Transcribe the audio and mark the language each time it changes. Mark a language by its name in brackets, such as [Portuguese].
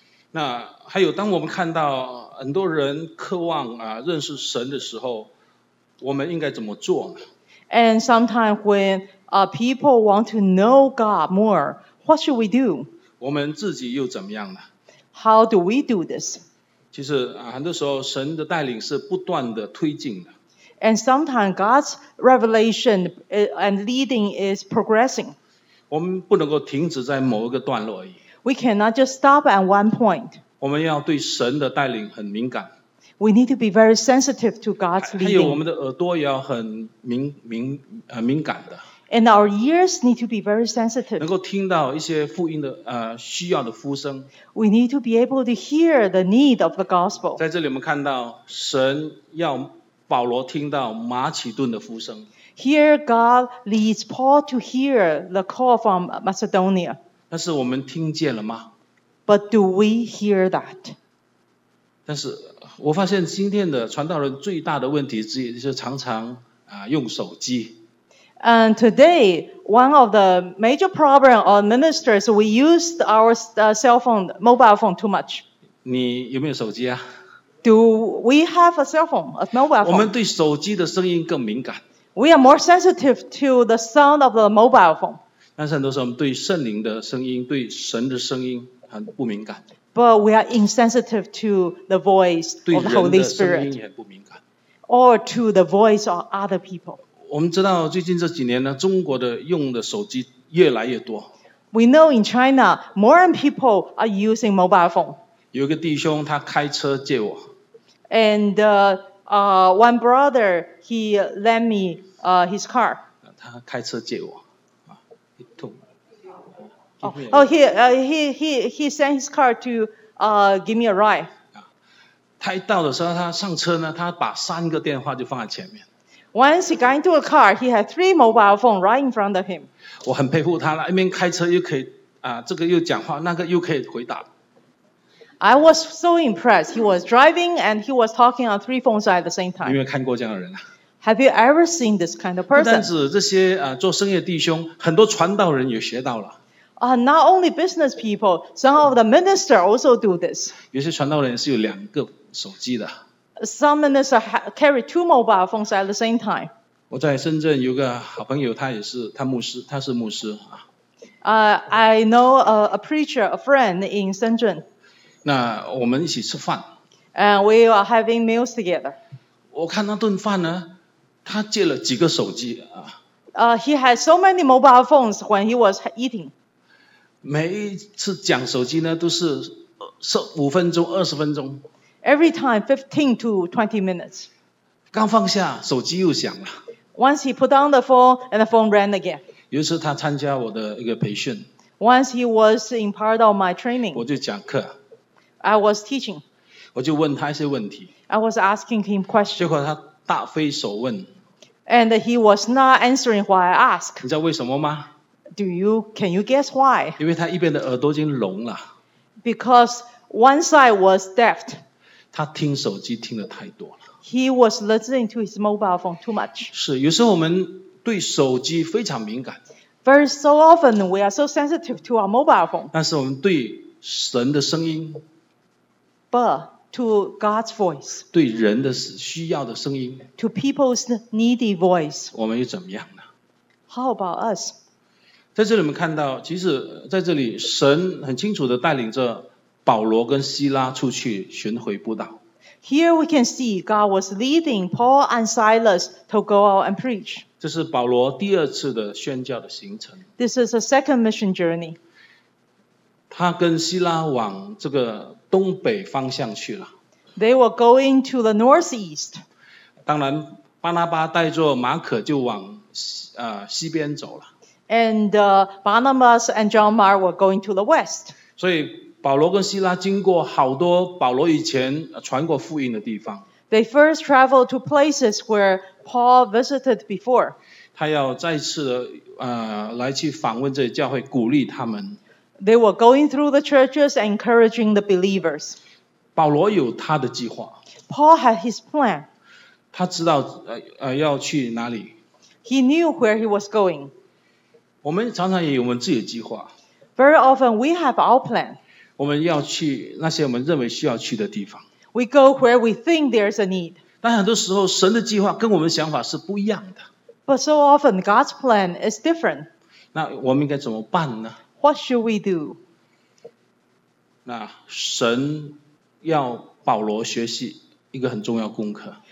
[Chinese] 那还有当我们看到很多人渴望认识神的时候，我们应该怎么做呢？ [English] And sometimes when people want to know God more, what should we do? [Chinese] 我们自己又怎么样呢？ [English] How do we do this? [Chinese] 其实很多时候神的带领是不断的推进的。 [English] And sometimes God's revelation and leading is progressing. [Chinese] 我们不能够停止在某一个段落而已。 [English] We cannot just stop at one point. [Chinese] 我们要对神的带领很敏感。 [English] We need to be very sensitive to God's leading. [Chinese] 还有我们的耳朵也要很敏感的。 [English] And our ears need to be very sensitive. [Chinese] 能够听到一些福音的需要的呼声。 [English] We need to be able to hear the need of the gospel. [Chinese] 在这里我们看到神要保罗听到马其顿的呼声。 [English] Here God leads Paul to hear the call from Macedonia. [Chinese] 但是我们听见了吗？ [English] But do we hear that? [Chinese] 但是我发现今天的传道人最大的问题之一就是常常用手机。 [English] And today, one of the major problems of ministers, we used our cell phone, mobile phone too much. [Chinese] 你有没有手机啊？ [English] Do we have a cell phone, a mobile phone? [Chinese] 我们对手机的声音更敏感。 [English] We are more sensitive to the sound of the mobile phone. [Chinese] 但是很多时候我们对圣灵的声音，对神的声音很不敏感。 [English] But we are insensitive to the voice of the Holy Spirit. [Chinese] 对人的声音也不敏感。 [English] Or to the voice of other people. [Chinese] 我们知道最近这几年呢，中国的用的手机越来越多。 [English] We know in China, more people are using mobile phone. [Chinese] 有个弟兄他开车借我。 [English] And one brother, he lent me his car. [Chinese] 他开车借我。 [English] He sent his car to give me a ride. [Chinese] 他一到的时候他上车呢他把三个电话就放在前面。 [English] Once he got into a car, he had three mobile phones right in front of him. [Chinese] 我很佩服他了一边开车又可以这个又讲话那个又可以回答。 [English] I was so impressed. He was driving and he was talking on three phones at the same time. [Chinese] 有没有看过这样的人啊？ [English] Have you ever seen this kind of person? [Chinese] 不但是这些做生意的弟兄，很多传道人也学到了。 [English] Not only business people, some of the ministers also do this. [Chinese] 有些传道人是有两个手机的。 [English] Some ministers carry two mobile phones at the same time. [Chinese] 我在深圳有个好朋友，他是牧师啊。 [English] I know a preacher, a friend in Shenzhen. [Chinese] 那我们一起吃饭。 [English] And we are having meals together. [Chinese] 我看那顿饭呢，他借了几个手机啊。 [English] He had so many mobile phones when he was eating. [Chinese] 每一次讲手机呢，都是五分钟、二十分钟。 [English] Every time 15 to 20 minutes. [Chinese] 刚放下手机又响了。 [English] Once he put down the phone and the phone rang again. [Chinese] 有一次他参加我的一个培训。 [English] Once he was in part of my training. [Chinese] 我就讲课。 [English] I was teaching. [Chinese] 我就问他一些问题。 [English] I was asking him questions. [Chinese] 结果他答非所问。 [English] And he was not answering what I asked. [Chinese] 你知道为什么吗？ [English] Can you guess why? [Chinese] 因为他一边的耳朵已经聋了。 [English] Because one side was deaf. [Chinese] 他听手机听得太多了。 [English] He was listening to his mobile phone too much. [Chinese] 是，有时候我们对手机非常敏感。 [English] Very so often we are so sensitive to our mobile phone. [Chinese] 但是我们对神的声音 [English] But to God's voice. [Chinese] 对人的需要的声音。 [English] To people's needy voice. [Chinese] 我们又怎么样呢？ [English] How about us? [Chinese] 在这里我们看到，其实在这里，神很清楚地带领着保罗跟希拉出去巡回布道。 [English] Here we can see God was leading Paul and Silas to go out and preach. [Chinese] 这是保罗第二次的宣教的行程。 [English] This is a second mission journey. [Chinese] 他跟希拉往这个东北方向去了。 [English] They were going to the northeast. [Chinese] 当然巴拿巴带着马可就往西边走了。 [English] And Barnabas and John Mark were going to the west. [Chinese] 所以保罗跟希拉经过好多保罗以前传过福音的地方。 [English] They first traveled to places where Paul visited before. [Chinese] 他要再次来去访问这些教会，鼓励他们。 [English] They were going through the churches, encouraging the believers. [Chinese] 保罗有他的计划。 [English] Paul had his plan. [Chinese] 他知道要去哪里。 [English] He knew where he was going. [Chinese] 我们常常也有我们自己的计划。 [English] Very often we have our plan. [Chinese] 我们要去那些我们认为需要去的地方。 [English] We go where we think there's a need. [Chinese] 但很多时候神的计划跟我们想法是不一样的。 [English] But so often God's plan is different. [Chinese] 那我们应该怎么办呢？ [English] What should we do? [Chinese] 那神要保罗学习一个很重要功课。